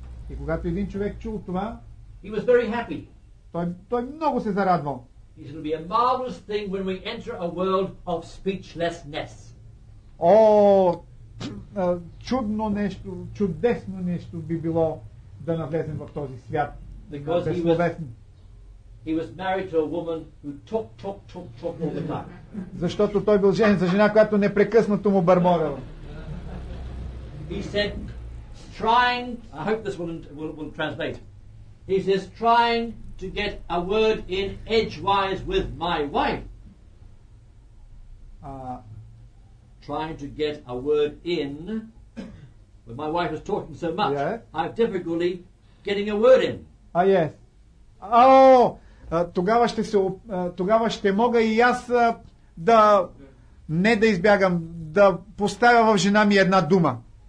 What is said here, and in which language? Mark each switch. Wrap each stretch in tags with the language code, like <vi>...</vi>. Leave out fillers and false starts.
<bg>и когато един човек чул това,</bg> <en>he was very happy.</en> <bg>Той много се зарадвал.</bg> <en>He said, it'll be a marvelous thing when we enter a world of speechlessness.</en> <bg>О, чудно нещо, чудесно нещо би било да навлезем в този свят.</bg> <en>Because he was married to a woman who talk all the time.</en> <bg>Защото той бил женен за жена, която непрекъснато му бърморела.</bg> <en>He said, trying, I hope this will translate. He says, trying to get a word in edgewise with my wife. Trying to get a word in, when my wife is talking so much, yeah. I have difficulty getting a word in. Yes.</en> <bg>Oh, тогава ще мога и аз да, не да избягам, да поставя в жена ми една дума.</bg>